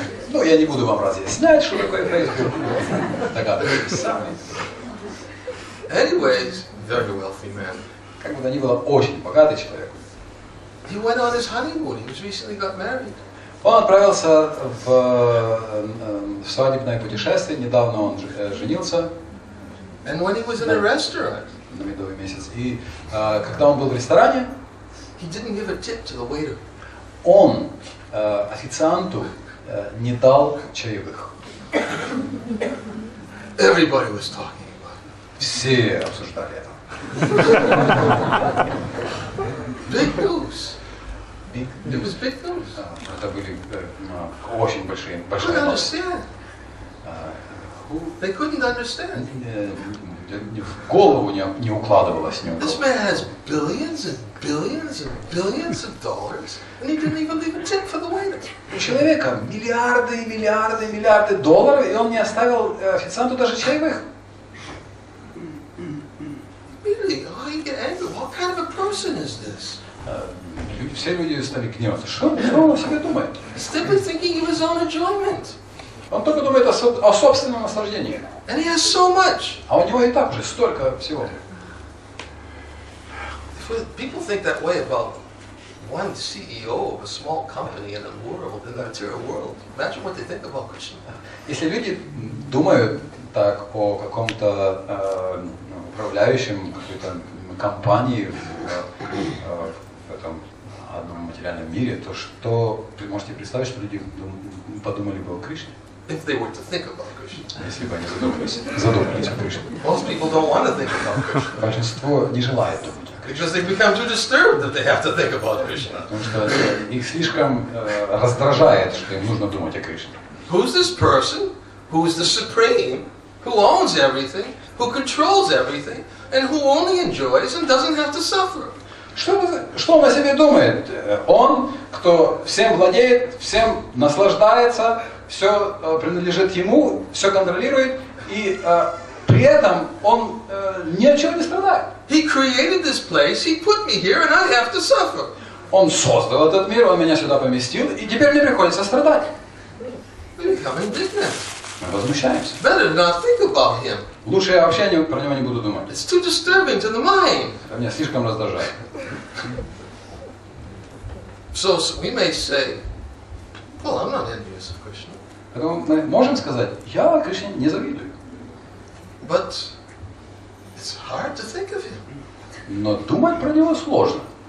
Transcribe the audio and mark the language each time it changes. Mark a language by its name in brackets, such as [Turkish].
[Russian] Ну, я не буду вам разъяснять, что такое Facebook. Догадывайтесь сами. [English] Anyways, very wealthy man. [Russian] Как бы то ни было, очень богатый человек. [English] He went on his honeymoon. He was recently got married. [Russian] Он отправился в свадебное путешествие. Недавно он женился. [English] And when he was in a restaurant. [Russian] На медовый месяц. И когда он был в ресторане, [English] he didn't give a tip to the waiter. [Russian] Он официанту не дал чаевых. [English] Everybody was talking about it. [Russian] Все обсуждали это. [English] Big news. Big news. It was big news. [Russian] Это были очень большие, большие. [English] Couldn't understand. They couldn't understand. [Russian] В голову не укладывалось ни у кого. [English] This man has billions and billions and billions of dollars, and he didn't even leave a tip for the waiter. [Russian] У человека миллиарды и миллиарды и миллиарды долларов, и он не оставил официанту даже чаевых. [English] Really? How you get angry? What kind of a person is this? [Russian] Все люди стали гневаться. Что он о себе думает? [English] Step is thinking of his own enjoyment. [Russian] Он только думает о собственном наслаждении. And he has so much. А у него и так же столько всего. [English] People think that way about one CEO of a small company in the world, in the material world. Imagine what they think about Krishna. [Russian] Если люди думают так о каком-то управляющем какой-то компании в этом одном материальном мире, то что вы можете представить, что люди подумали бы о Кришне? [English] If they were to think about Krishna. [Russian] Если бы они задумались о Кришне. [English] Most people don't want to think about Krishna. [Russian] Большинство не желает думать о Кришне. [English] Because they become too disturbed that they have to think about Krishna. [Russian] Потому что их слишком раздражает, что им нужно думать о Кришне. [English] Who's this person who is the supreme, who owns everything, who controls everything, and who only enjoys and doesn't have to suffer? [Russian] Что он о себе думает? Он, кто всем владеет, всем наслаждается, все принадлежит ему, все контролирует, и при этом он ни о чем не страдает. [English] He created this place, he put me here, and I have to suffer. [Russian] Он создал этот мир, он меня сюда поместил, и теперь мне приходится страдать. Мы возмущаемся. [English] Better not think about him. [Russian] Лучше я вообще про него не буду думать. [English] It's too disturbing to the mind. [Russian] Это меня слишком раздражает. [English] So we may say, well, I'm not envious of Krishna. [Russian] Поэтому мы можем сказать, я Кришне не завидую. [English] But it's hard to think of him. [Russian] Но думать про него сложно.